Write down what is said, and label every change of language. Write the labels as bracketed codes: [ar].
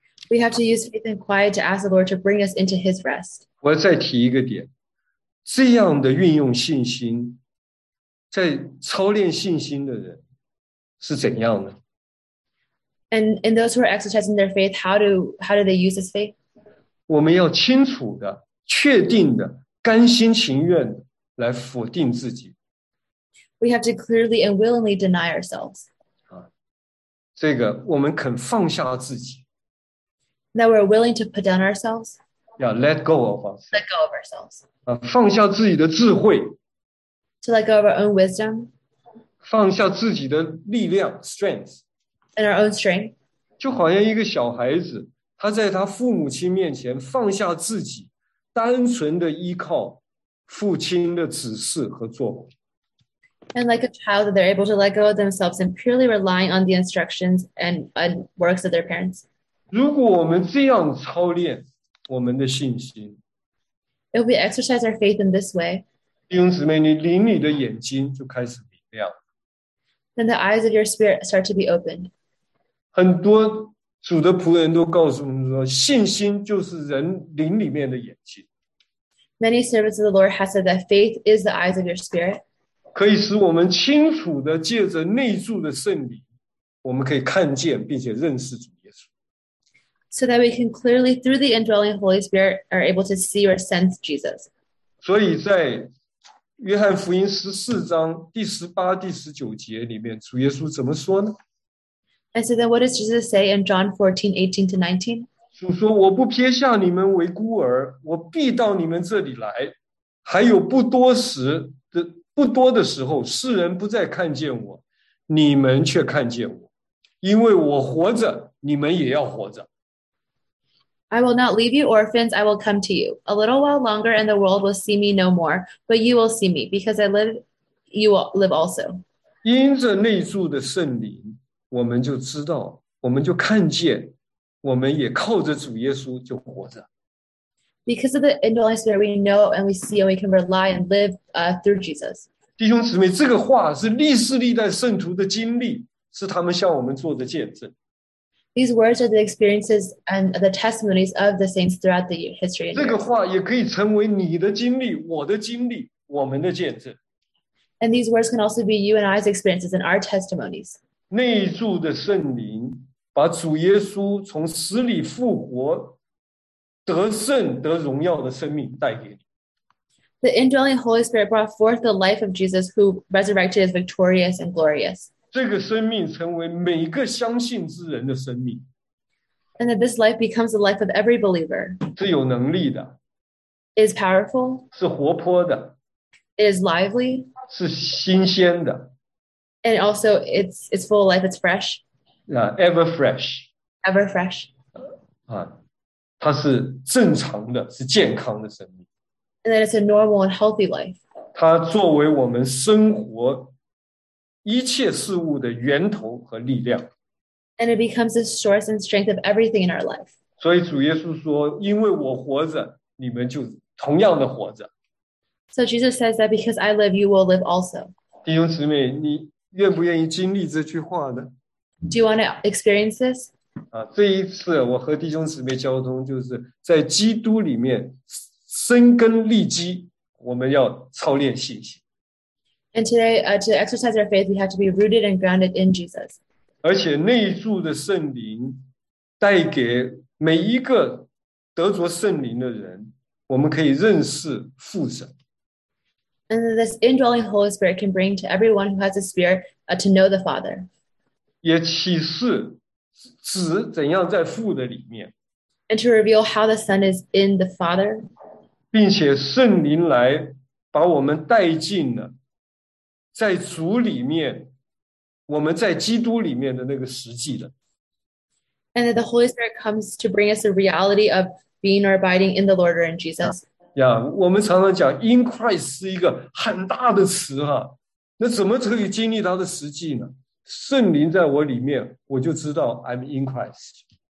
[en] We have to use faith and quiet to ask the Lord to bring us into his rest. [zh] 我要再提一个点，这样的运用信心，在操练信心的人是怎样的？ [en] And in those who are exercising their faith, how do they use this faith? [zh] 我们要清楚的、确定的、甘心情愿的来否定自己。 [en] We have to clearly and willingly deny ourselves. [zh] 这个我们肯放下自己。 [en] That we're willing to put down ourselves. Yeah, let go of us. Let go of ourselves. [zh] 放下自己的智慧。 [en] To let go of our own wisdom. [zh] 放下自己的力量 ，strength。 [en] In our own strength. [zh] 就好像一个小孩子，他在他父母亲面前放下自己，单纯的依靠父亲的指示和作为。 [en] And like a child, they're able to let go of themselves and purely relying on the instructions and works of their parents. [zh] 如果我们这样操练我们的信心， [en] If we exercise our faith in this way, [zh] 弟兄姊妹，你灵里的眼睛就开始明亮。 [en] Then the eyes of your spirit start to be opened. [zh] 很多主的仆人都告诉我们说，信心就是人灵里面的眼睛。 [en] Many servants of the Lord have said that faith is the eyes of your spirit. [zh] 可以使我们清楚的借着内住的圣灵，我们可以看见并且认识主耶稣。 [en] So that we can clearly, through the indwelling Holy Spirit, are able to see or sense Jesus. [zh] 所以在约翰福音14章18、19节里面，主耶稣怎么说呢 [en] ？And so then, what does Jesus say in John 14:18-19? [zh] 主说：“我不撇下你们为孤儿，我必到你们这里来。还有不多的时候，世人不再看见我，你们却看见我，因为我活着，你们也要活着。” [en] I will not leave you orphans, I will come to you. A little while longer and the world will see me no more, but you will see me, because I live, you will live also. [zh] 因着内住的圣灵，我们就知道，我们就看见，我们也靠着主耶稣就活着。 [en] Because of the indwelling spirit, we know and we see and we can rely and live through Jesus. [zh] 弟兄姊妹，这个话是历世历代圣徒的经历，是他们向我们做的见证。 [en] These words are the experiences and the testimonies of the saints throughout the history. [zh] 这个话也可以成为你的经历，我的经历，我们的见证。 [en] And these words can also be you and I's experiences and our testimonies. [zh] 内住的圣灵把主耶稣从死里复活、得胜得荣耀的生命带给你。 [en] The indwelling Holy Spirit brought forth the life of Jesus, who resurrected is victorious and glorious. [zh] 这个生命成为每一个相信之人的生命。 [en] And that this life becomes the life of every believer. [zh] 是有能力的。 [en] Is powerful. [zh] 是活泼的。 [en] Is lively. [zh] 是新鲜的。 [en] And also it's full of life, it's fresh. Ever fresh. Ever fresh. [zh] 它是正常的，是健康的生命。 [en] And that it's a normal and healthy life. [zh] 它作为我们生活一切事物的源头和力量。 [en] And it becomes the source and strength of everything in our life. [zh] 所以主耶稣说，因为我活着，你们就同样的活着。 [en] So Jesus says that because I live, you will live also. [zh] 弟兄姊妹，你愿不愿意经历这句话呢？ [en] Do you want to experience this? [zh] 这一次我和弟兄姊妹交通，就是在基督里面生根立基，我们要操练信心。 [en] And today, to exercise our faith, we have to be rooted and grounded in Jesus. [zh] 而且内住的圣灵带给每一个得着圣灵的人，我们可以认识父神。 [en] And this indwelling Holy Spirit can bring to everyone who has the Spirit, to know the Father. [zh] 也启示子怎样在父的里面。 [en] And to reveal how the Son is in the Father. [zh] 并且圣灵来把我们带进了在主里面，我们在基督里面的那个实际的。 [en] And that the Holy Spirit comes to bring us the reality of being or abiding in the Lord or in Jesus. [zh] Yeah, 我们常常讲 in Christ 是一个很大的词啊，那怎么可以经历它的实际呢？圣灵在我里面，我就知道 [en] I'm in Christ.